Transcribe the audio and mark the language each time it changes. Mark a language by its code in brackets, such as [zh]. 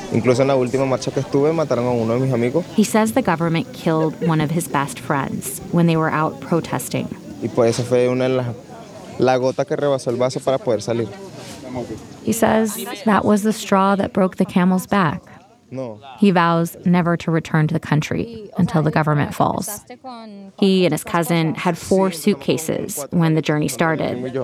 [es] Incluso en la última marcha que estuve, mataron a uno de mis amigos. [en] He says the government killed one of his best friends when they were out protesting. [es] Y por eso fue una de las la gota que rebasó el vaso para poder salir. [en] He says that was the straw that broke the camel's back. [es] No. [en] He vows never to return to the country until the government falls. He and his cousin had 4 suitcases when the journey started.